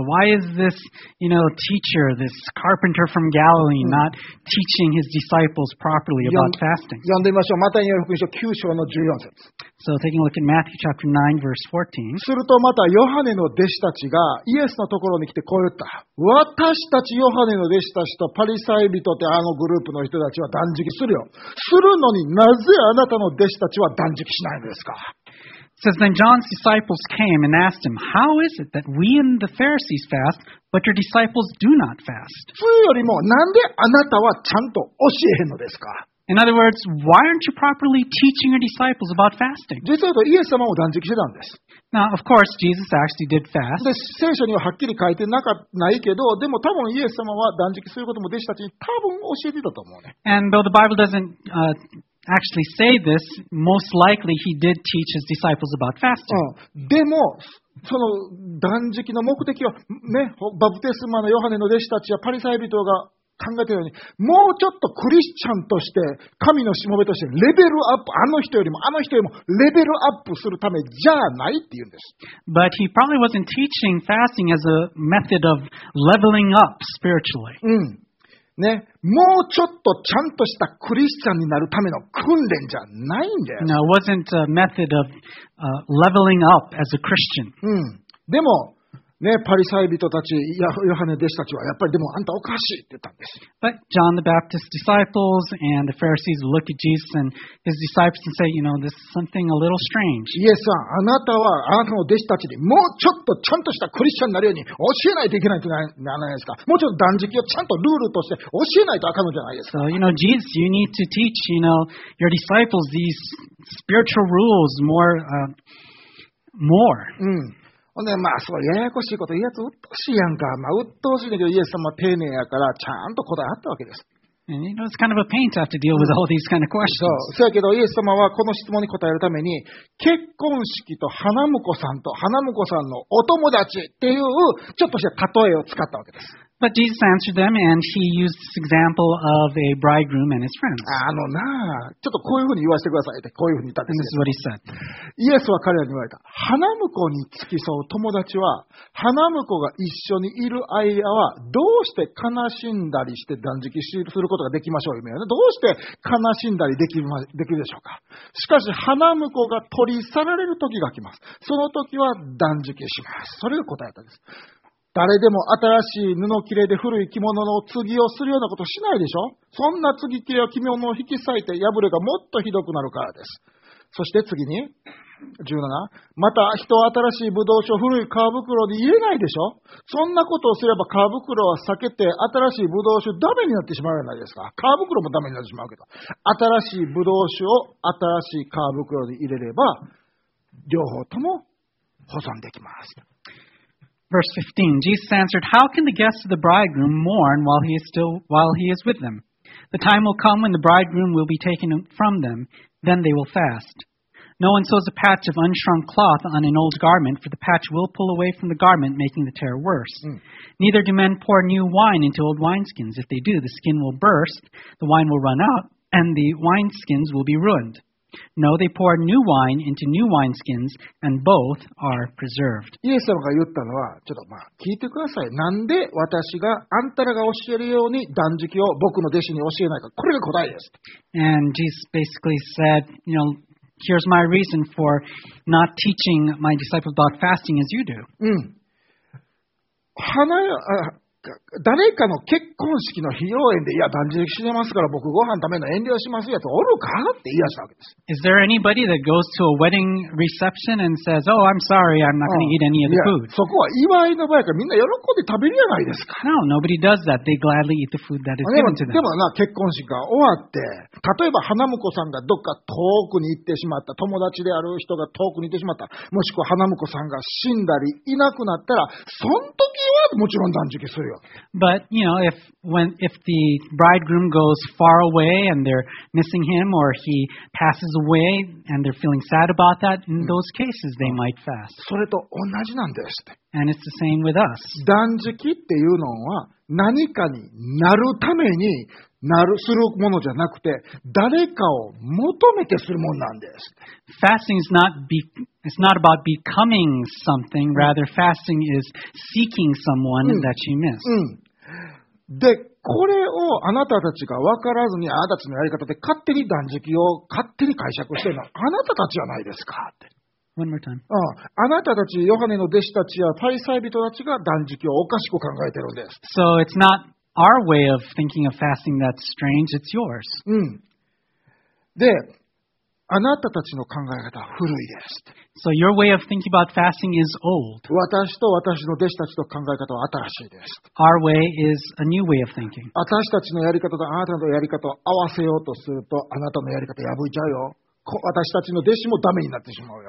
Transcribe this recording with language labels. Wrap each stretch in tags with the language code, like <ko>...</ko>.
<en>So why is this, you know, teacher, this carpenter from Galilee, not teaching his disciples properly about fasting?</en> <ja>読んでみましょう。マタイによる福音書9章の14節。</ja> <en>So taking a look at Matthew chapter 9, verse 14.</en> <ja>するとまたヨハネの弟子たちがイエスのところに来てこう言った。私たちヨハネの弟子たちとパリサイ人ってあのグループの人たちは断食するよ。するのになぜあなたの弟子たちは断食しないんですか。</ja> <en>It says, then John's disciples came and asked him, How is it that we and the Pharisees fast, but your disciples do not fast?</en> <ja>それよりもなんであなたはちゃんと教えへんのですか。</ja> <en>In other words, why aren't you properly teaching your disciples about fasting?</en> <ja>実はイエス様も断食してたんです。</ja> <en>Now, of course, Jesus actually did fast.</en> <ja>で、聖書にははっきり書いてないけど、でも多分イエス様は断食することも弟子たちに多分教えてたと思うね。</ja> <en>And though the Bible doesn't, actually say this, most likely he did teach his disciples about fasting.</en> <ja>でも、その断食の目的は、ね、バプテスマのヨハネの弟子たちやパリサイ人が考えてるように、もうちょっとクリスチャンとして、神のしもべとして、レベルアップ、あの人よりもレベルアップするためじゃないって言うんです。</ja> <en>But he probably wasn't teaching fasting as a method of leveling up spiritually.</en> <ja>うん。ね。もうちょっとちゃんとしたクリスチャンになるための訓練じゃないんだよ。</ja> <en>No, it wasn't a method of, leveling up as a Christian.</en> <ja>うん。でも、ね、パリサイ人たち、ヨハネ弟子たちは、やっぱりでもあんたおかしいって言ったんです。</ja> <en>But John the Baptist's disciples and the Pharisees look at Jesus and his disciples and say, you know, this is something a little strange.</en> <ja>イエスさん、あなたはあなたの弟子たちにもうちょっとちゃんとしたクリスチャンになるように教えないといけないんじゃないですか。もうちょっと断食をちゃんとルールとして教えないとあかんのじゃないですか。</ja> <en>So, you know, Jesus, you need to teach, you know, your disciples these spiritual rules more, more.</en> <ja>うん。ね、まあそうややこしいこと言うやつ鬱陶しいやんか、まあ鬱陶しいけどイエス様は丁寧やからちゃんと答えあったわけです。</ja> <en>And you know, it's kind of a pain to have to deal with all these kind of questions.</en> <ja>そうやけどイエス様はこの質問に答えるために結婚式と花婿さんと花婿さんのお友達っていうちょっとした例えを使ったわけです。</ja> <en>But Jesus answered them, and he used this example of a bridegroom and his friends.</en> <ja>あのなあ、ちょっとこういうふうに言わせてくださいって、こういうふうに言ったんです</ja> <en>よ。And this is what he said.</en> <ja>イエスは彼らに言われた。花婿に付き添う友達は、花婿が一緒にいる間は、どうして悲しんだりして断食することができましょうよ、ね。どうして悲しんだりできるでしょうか。しかし、花婿が取り去られる時が来ます。その時は断食します。それが答えだったんです。誰でも新しい布切れで古い着物の継ぎをするようなことしないでしょ。そんな継ぎ切れは着物を引き裂いて破れがもっとひどくなるからです。そして次に、17、また人は新しい葡萄酒を古い皮袋に入れないでしょ。そんなことをすれば皮袋は裂けて新しい葡萄酒ダメになってしまうじゃないですか。皮袋もダメになってしまうけど、新しい葡萄酒を新しい皮袋に入れれば両方とも保存できます。</ja> <en>Verse 15, Jesus answered, How can the guests of the bridegroom mourn while he is with them? The time will come when the bridegroom will be taken from them. Then they will fast. No one sews a patch of unshrunk cloth on an old garment, for the patch will pull away from the garment, making the tear worse. Neither do men pour new wine into old wineskins. If they do, the skin will burst, the wine will run out, and the wineskins will be ruined. No, they pour new wine into new wineskins, and both are preserved.</en> <ja>イエス様が言ったのは、ちょっとまあ聞いてください。なんで私があんたらが教えるように断食を僕の弟子に教えないか。これが答えです。</ja> <en>And Jesus basically said, you know, here's my reason for not teaching my disciples about fasting as you do.</en> <ja>うん。花屋、誰かの結婚式の披露宴で、いや、断食してますから僕ご飯食べるの遠慮しますやつおるかって言い出したわけです。</ja> <en>Is there anybody that goes to a wedding reception and says, oh, I'm sorry, I'm not going to eat any of the food?</en> <ja>そこは祝いの場合からみんな喜んで食べるじゃないですか。</ja> <en>No, nobody does that. They gladly eat the food that is given to them.</en> <ja>でもな、結婚式が終わって、例えば花婿さんがどっか遠くに行ってしまった、友達である人が遠くに行ってしまった、もしくは花婿さんが死んだりいなくなったら、その時はもちろん断食するよ。</ja> <en>But you know, if the bridegroom goes far away and they're missing him, or he passes away and they're feeling sad about that, in those cases they might fast.</en> <ja>それと同じなんですって。</ja> <en>And it's the same with us.</en> <ja>断食っていうのは何かになるためにするものじゃなくて、誰かを求めてするものなんです。</ja> <en>Fasting is it's not about becoming something. Rather, fasting is seeking someone that you miss.</en> <ja>で、これをあなたたちが分からずに、あなたたちのやり方で勝手に断食を勝手に解釈しているのはあなたたちじゃないですかって。</ja> <en>One more time.</en> <ja>あなたたち、ヨハネの弟子たちやファリサイ人たちが断食をおかしく考えているんです。</ja> <en>So it's not our way of thinking of fasting that's strange, it's yours.</en> <ja>で、あなたたちの考え方は古いです。</ja> <en>So your way of thinking about fasting is old.</en> <ja>私と私の弟子たちの考え方は新しいです。</ja> <en>Our way is a new way of thinking.</en> <ja>私たちのやり方とあなたのやり方を合わせようとすると、あなたのやり方破いちゃうよ。私たちの弟子もダメになってしまうよ。</ja>